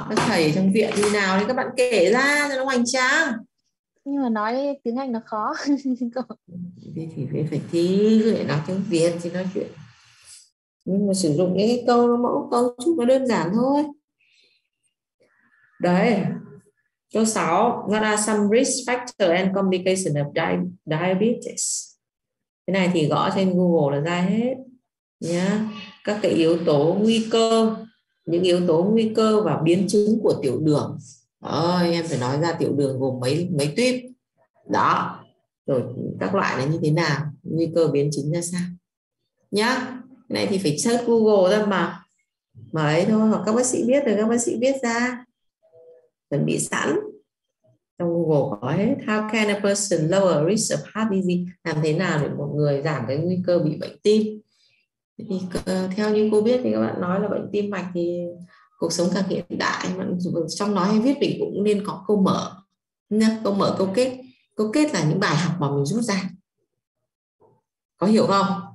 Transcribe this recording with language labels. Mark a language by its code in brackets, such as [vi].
[vi] Các thầy trong viện như nào thì các bạn kể ra cho nó hoành tráng. Nhưng mà nói tiếng Anh nó khó. Thì phải thi để nói tiếng Việt thì nói chuyện. Nhưng mà sử dụng những cái câu nó mẫu câu chút nó đơn giản thôi. Đấy. Câu 6. [en] What are some risk factor and complication of diabetes? [vi] Cái này thì gõ trên Google là ra hết. Nhá. Các cái yếu tố nguy cơ, những yếu tố nguy cơ và biến chứng của tiểu đường. Ôi, em phải nói ra tiểu đường gồm mấy tuyếp. Đó. Rồi các loại là như thế nào, nguy cơ biến chứng ra sao. Nhá. Này thì phải search Google ra mà ấy thôi, hoặc các bác sĩ biết rồi các bác sĩ biết ra, chuẩn bị sẵn trong Google có hết. [en] How can a person lower risk of heart disease? [vi] Làm thế nào để một người giảm cái nguy cơ bị bệnh tim? Thì theo như cô biết thì các bạn nói là bệnh tim mạch thì cuộc sống càng hiện đại, mà trong nói hay viết mình cũng nên có câu mở nha, câu mở, câu kết. Câu kết là những bài học mà mình rút ra, có hiểu không?